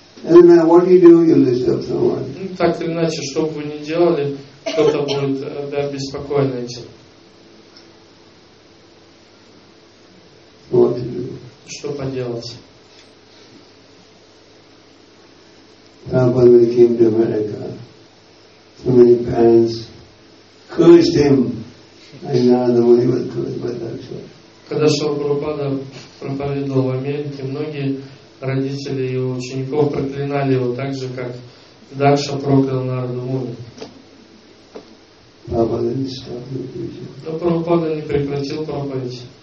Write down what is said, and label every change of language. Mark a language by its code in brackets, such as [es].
[en] Doesn't matter what you do, you lose them somewhere. [ru] Ну, так или иначе, что бы вы ни делали, кто-то будет беспокоен этим. [en] What to do? [ru] Что поделать? [en] Prabhupada, when he came to America, so many parents cursed him. And now the way was cursed by that show. [ru] Когда Шрила Прабхупада проповедовал в Америке, многие родители и учеников проклинали его так же, как Дакша проклял Нараду Муни. Но Прабхупада не прекратил проповедь.